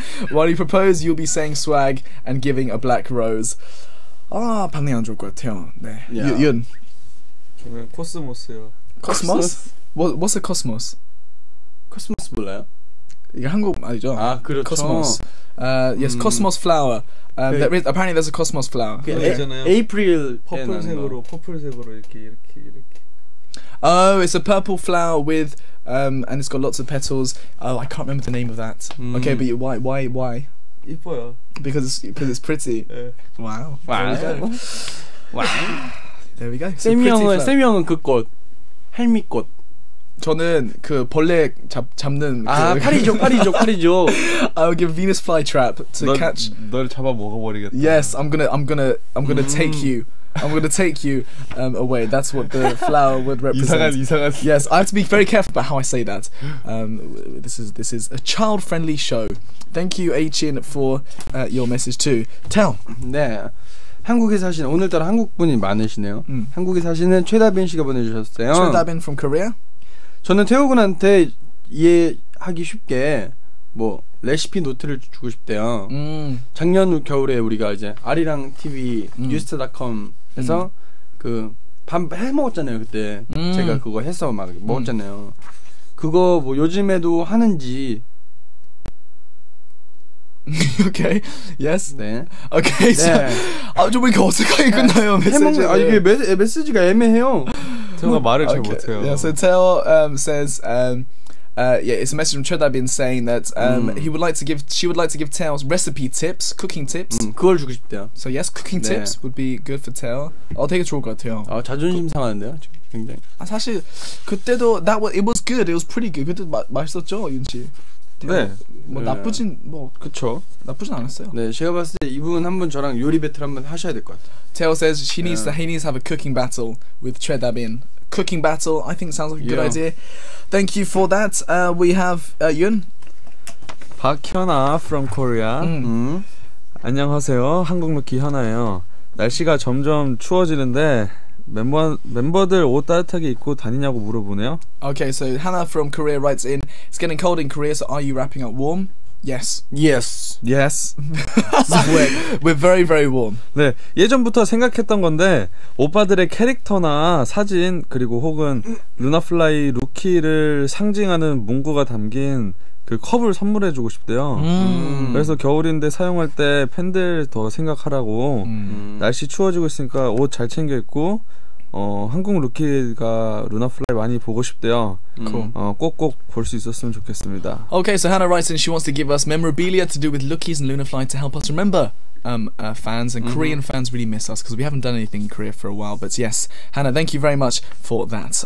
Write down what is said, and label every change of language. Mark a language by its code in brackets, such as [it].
[en] While you propose, you'll be saying swag and giving a black rose. [ko] 아, 반응이 안 좋을 것 같아요. [en] 네. Yeah. 윤. [ko] 저는 코스모스요. [en] 코스모스? What's a cosmos? [ko] 코스모스 몰라요? 이게 한국 말이죠. 아, 그렇죠. [en] Cosmos. Yes, cosmos flower. Apparently, there's a cosmos flower. April. [ko] 퍼플색으로, 퍼플색으로 이렇게. [en] Oh, it's a purple flower with, and it's got lots of petals. Oh, I can't remember the name of that. Okay, but why? [ko] 이뻐요. [en] Because it's pretty. Yeah. Wow. Wow. There we go. Wow. There we go. [ko] 세 명은 그 꽃, 할미꽃. 저는 그 벌레 잡는 아 그 파리죠 [en] I will give Venus flytrap to [ko] 널, [en] catch [ko] 널 잡아 먹어버리겠다 [en] Yes, I'm gonna take you away That's what the flower would represent [ko] 이상한 [en] Yes, I have to be very careful about how I say that This is a child-friendly show Thank you, A-Chin, for your message too Tell [ko] 네 한국에 사시는 오늘따라 한국 분이 많으시네요 한국에 사시는 최다빈 씨가 보내주셨어요 [en] 최다빈 from Korea [ko] 저는 태호 군한테 이해하기 쉽게 뭐 레시피 노트를 주고 싶대요. 작년 겨울에 우리가 이제 아리랑 TV 뉴스타닷컴에서 그 밥 해 먹었잖아요. 그때 제가 그거 해서 막 먹었잖아요. 그거 뭐 요즘에도 하는지. [en] Okay. Yes. [ko] 네. [en] Okay. 네. [ko] 아 좀 이렇게 어색하게 끝나요 메시지. 아 이게 메시지가 애매해요. 태호가 말을 잘 못해요. [en] Yeah, so Tail says, yeah, it's a message from Choi Da-bin saying that he would like to give, she would like to give Tail recipe tips, cooking tips. [ko] 그걸 주고 싶대요. [en] So yes, cooking 네. tips would be good for Tail. [ko] 되게 좋을 것 같아요. 아 자존심 상하는데요, 굉장히. 아 사실 그때도 [en] that was it was good. It was pretty good. [ko] 그때 맛있었죠, 윤 씨. 네. 뭐 네. 나쁘진 뭐 그쵸 나쁘진 않았어요. 네, 제가 봤을 때 이분 한번 저랑 요리 배틀 한번 하셔야 될 것 같아요. [en] Tail says she needs to, he needs to have a cooking battle with Choi Da-bin. Cooking battle, I think sounds like a good idea. Thank you for that. We have Yun. 박현아 from Korea. [ko] 안녕하세요, 한국루키 현아예요. 날씨가 점점 추워지는데. 멤버들 옷 따뜻하게 입고 다니냐고 물어보네요. [en] Okay, so Hannah from Korea writes in, it's getting cold in Korea, so are you wrapping up warm? Yes. Yes. Yes. We're very, very warm. [ko] 네, 예전부터 생각했던 건데 오빠들의 캐릭터나 사진 그리고 혹은 루나플라이 루키를 상징하는 문구가 담긴 그 컵을 선물해주고 싶대요. 그래서 겨울인데 사용할 때 팬들 더 생각하라고 날씨 추워지고 있으니까 옷 잘 챙겨 입고 한국 루키가 루나플라이 많이 보고 싶대요. [en] Cool. [ko] 꼭꼭 볼 수 있었으면 좋겠습니다. [en] Okay, so Hannah writes and she wants to give us memorabilia to do with Lukis and Lunafly to help us remember fans and Korean fans really miss us because we haven't done anything in Korea for a while. But yes, Hannah, thank you very much for that.